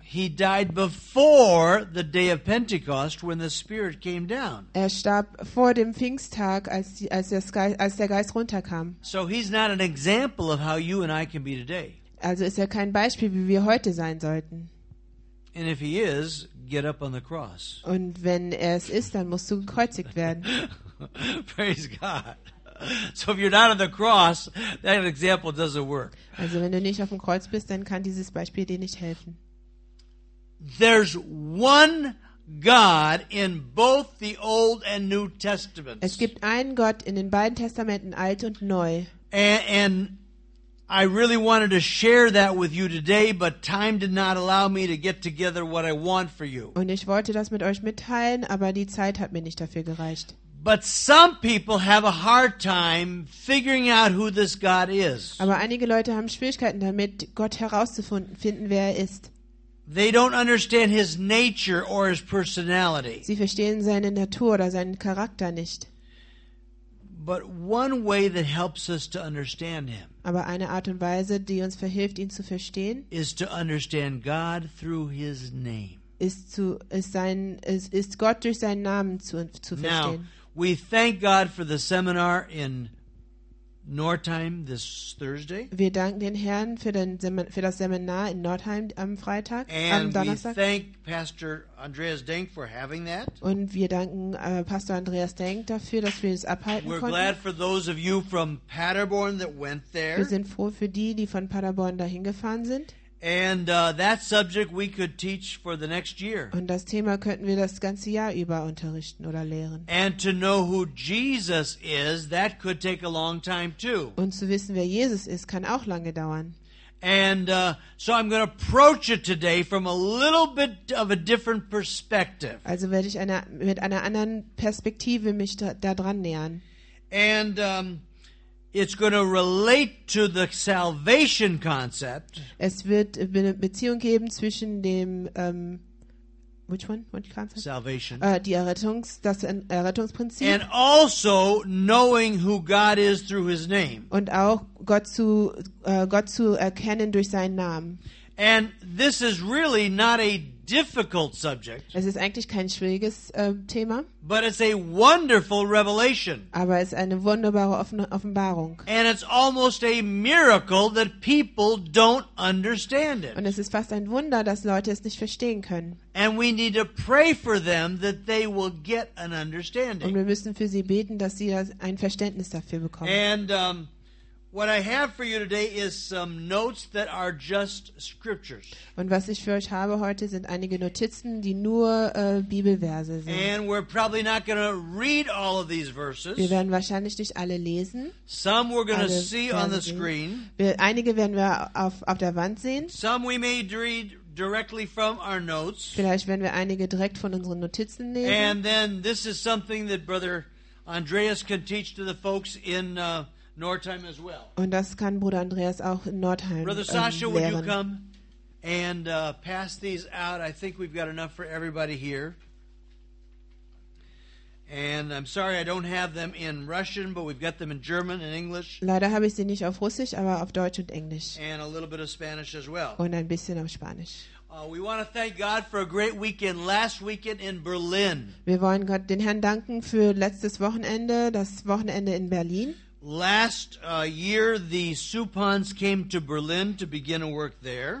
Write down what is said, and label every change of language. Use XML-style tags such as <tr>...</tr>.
<en>He died before the day of Pentecost when the Spirit came down.</en> <de>Er starb vor dem Pfingsttag, als der Geist runterkam.</de> <en>So he's not an example of how you and I can be today.</en> <de>Also ist er kein Beispiel, wie wir heute sein sollten.</de> <en>And if he is, get up on the cross.</en> <de>Und wenn er es ist, dann musst du gekreuzigt werden.</de> <en>Praise God. So if you're not on the cross, that example doesn't work.</en> <de>Also wenn du nicht auf dem Kreuz bist, dann kann dieses Beispiel dir nicht helfen.</de> <en>There's one God in both the Old and New Testaments.</en> <de>Es gibt einen Gott in den beiden Testamenten, Alt und Neu.</de> <en>And I really wanted to share that with you today, but time did not allow me to get together what I want for you.</en> <de>Und ich wollte das mit euch mitteilen, aber die Zeit hat mir nicht dafür gereicht.</de> <en>But some people have a hard time figuring out who this God is.</en> <de>Aber einige Leute haben Schwierigkeiten damit, Gott herauszufinden, wer er ist.</de> <en>They don't understand his nature or his personality.</en> <de>Sie verstehen seine Natur oder seinen Charakter nicht.</de> <en>But one way that helps us to understand him.</en> <de>Aber eine Art und Weise, die uns verhilft, ihn zu verstehen,</de> <en>is to understand God through his name.</en> <de>Ist Gott durch seinen Namen zu verstehen.</de> <en>Now, we thank God for the seminar in Northeim this Thursday.</en> <de>Wir danken den Herrn für das Seminar in Northeim am Freitag,</de> <en>and</en> <de>am Donnerstag.</de> <en>We thank Pastor Andreas Denk for having that.</en> <de>Und wir danken Pastor Andreas Denk dafür, dass wir es abhalten</de> <en>We're</en> <de>konnten.</de> <en>We're glad for those of you from Paderborn that went there.</en> <de>Wir sind froh für die von Paderborn dahin gefahren sind.</de> <en>And that subject we could teach for the next year.</en> <de>Und das Thema könnten wir das ganze Jahr über unterrichten oder lehren.</de> <en>And to know who Jesus is, that could take a long time too.</en> <de>Und zu wissen, wer Jesus ist, kann auch lange dauern.</de> <en>And so I'm going to approach it today from a little bit of a different perspective.</en> <de>Also werde ich mit einer anderen Perspektive mich da dran nähern.</de> <en>And it's going to relate to the salvation concept.</en> <de>Es wird eine Beziehung geben zwischen dem</de> <en>which one? What concept? Salvation.</en> <de>Das Errettungsprinzip.</de> <en>And also knowing who God is through his name.</en> <de>Und auch Gott zu erkennen durch seinen Namen.</de> <en>And this is really not a difficult subject.</en> <de>Es ist eigentlich kein schwieriges Thema.</de> <en>But it's a wonderful revelation.</en> <de>Aber es ist eine wunderbare Offenbarung.</de> <en>And it's almost a miracle that people don't understand it.</en> <de>Und es ist fast ein Wunder, dass Leute es nicht verstehen können.</de> <en>And we need to pray for them that they will get an understanding.</en> <de>Und wir müssen für sie beten, dass sie ein Verständnis dafür bekommen.</de> <en>And what I have for you today is some notes that are just scriptures.</en> <de>Und was ich für euch habe heute sind einige Notizen, die nur Bibelverse sind.</de> <en>And we're probably not going to read all of these verses.</en> <de>Wir werden wahrscheinlich nicht alle lesen.</de> <en>Some we're going to see on the screen.</en> <de>Einige werden wir auf der Wand sehen.</de> <en>Some we may read directly from our notes.</en> <de>Vielleicht werden wir einige direkt von unseren Notizen lesen.</de> <en>And then this is something that Brother Andreas can teach to the folks in Nordheim as well.</en> <de>Und das kann Bruder Andreas auch in Nordheim</de> <en>Brother Sasha,</en> <de>lehren.</de> <en>Would you come and pass these out? I think we've got enough for everybody here. And I'm sorry I don't have them in Russian, but we've got them in German and English.</en> <de>Leider habe ich sie nicht auf Russisch, aber auf Deutsch und Englisch.</de> <en>And a little bit of Spanish as well.</en> <de>Und ein bisschen auf Spanisch.</de> <en>We want to thank God for a great weekend. Last weekend in Berlin.</en> <de>Wir wollen Gott den Herrn danken für letztes Wochenende, das Wochenende in Berlin.</de> <en>Last year the Supans came to Berlin to begin a work there.</en>